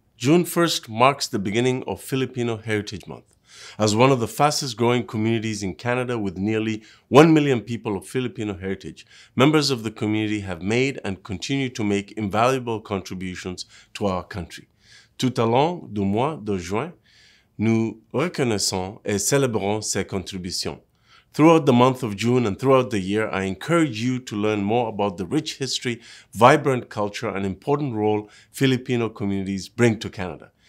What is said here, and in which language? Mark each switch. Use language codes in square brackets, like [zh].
[en] June 1st marks the beginning of Filipino Heritage Month. As one of the fastest growing communities in Canada with nearly 1 million people of Filipino heritage, members of the community have made and continue to make invaluable contributions to our country. [fr] Tout au long du mois de juin, nous reconnaissons et célébrons ces contributions. [en] Throughout the month of June and throughout the year, I encourage you to learn more about the rich history, vibrant culture, and important role Filipino communities bring to Canada.